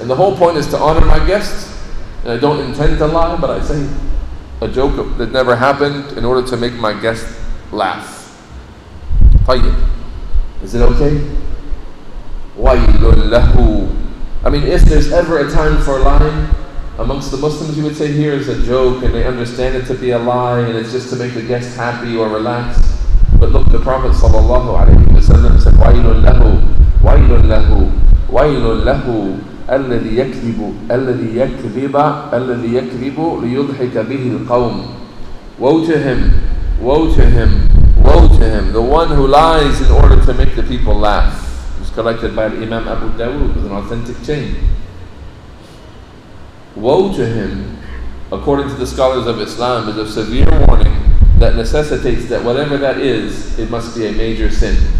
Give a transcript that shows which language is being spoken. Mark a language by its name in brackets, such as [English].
[English] And the whole point is to honor my guests. And I don't intend to lie, but I say a joke that never happened in order to make my guests laugh. [Arabic] طيب. [English] Is it okay? [Arabic] وَيْلٌ لَهُ. [English] I mean, if there's ever a time for lying amongst the Muslims, you would say here is a joke and they understand it to be a lie and it's just to make the guest happy or relax. But look, the Prophet ﷺ said, [Arabic] وَيْلٌ لَهُ, وَيْلٌ لَهُ, وَيْلٌ لَهُ الَّذِي يَكْذِبُ, الَّذِي يَكْذِبَ, الَّذِي يَكْذِبُ لِيُضْحِكَ بِهِ الْقَوْمِ. [English] Woe to him, woe to him, woe to him, the one who lies in order to make the people laugh. It was collected by Imam Abu Dawood with an authentic chain. Woe to him, according to the scholars of Islam, is a severe warning that necessitates that whatever that is, it must be a major sin.